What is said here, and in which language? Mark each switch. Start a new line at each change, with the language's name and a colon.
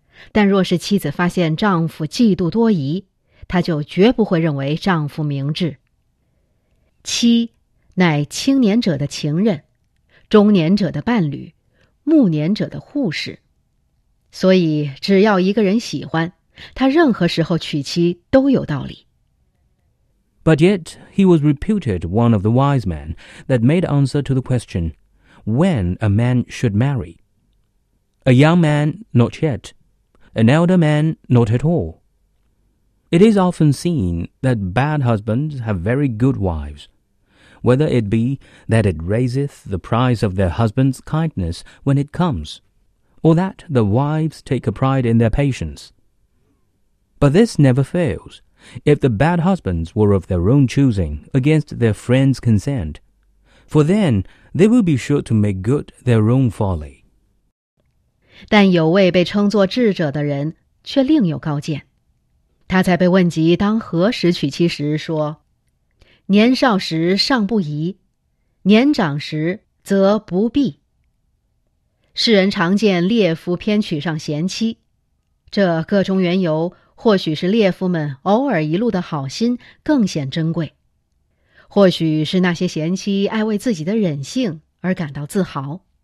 Chinese: 但若是妻子发现丈夫嫉妒多疑，她就绝不会认为丈夫明智。妻乃青年者的情人，中年者的伴侣，暮年者的护士。所以只要一个人喜欢他，任何时候娶妻都有道理。
English: But yet he was reputed one of the wise men that made answer to the question, when a man should marry. A young man, not yet. An elder man, not at all. It is often seen that bad husbands have very good wives, whether it be that it raiseth the price of their husband's kindness when it comes,or that the wives take a pride in their patience. But this never fails, if the bad husbands were of their own choosing, against their friends' consent. For then, they will be sure to make good their own folly.
Chinese: 但有位被称作智者的人却另有高见。他在被问及当何时娶妻时说，年少时尚不宜，年长时则不必。世人常见烈夫偏娶上贤妻，这各中缘由或许是烈夫们偶尔一路的好心更显珍贵，或许是那些贤妻爱为自己的忍性而感到自豪。